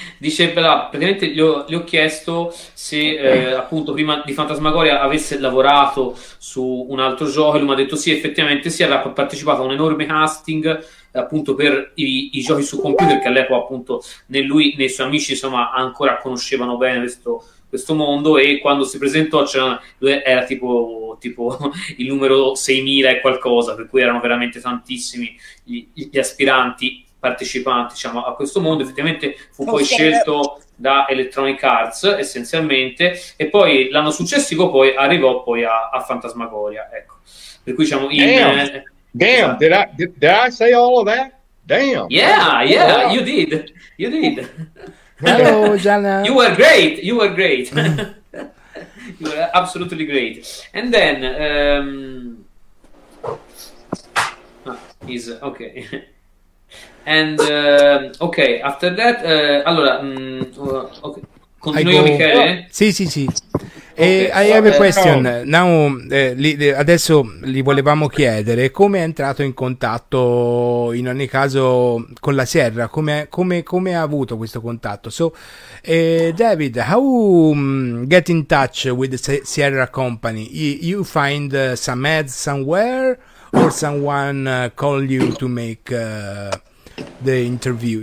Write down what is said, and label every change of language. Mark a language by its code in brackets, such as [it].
[it] Dice, però, praticamente gli ho chiesto se appunto prima di Fantasmagoria avesse lavorato su un altro gioco, e lui mi ha detto sì, effettivamente sì, aveva partecipato a un enorme casting appunto per i giochi su computer, che all'epoca appunto né lui né i suoi amici, insomma, ancora conoscevano bene questo mondo, e quando si presentò era tipo il numero 6.000 e qualcosa, per cui erano veramente tantissimi gli aspiranti partecipanti, diciamo, a questo mondo. Effettivamente fu poi scelto da Electronic Arts essenzialmente, e poi l'anno successivo poi arrivò poi a, a Fantasmagoria, ecco. Per cui diciamo [en] in, Damn, did I say all of that? Damn. Yeah, you did. Hello, Gianna. You were great. You were absolutely great. And then is okay. And okay, after that allora okay. [it] Continuo, Michele? Sì. [en] Okay. I have a question. [it] Now, adesso gli volevamo chiedere come è entrato in contatto, in ogni caso, con la Sierra. Come ha avuto questo contatto? [en] So, David, how get in touch with the Sierra Company? You find some ads somewhere, or someone call you to make the interview?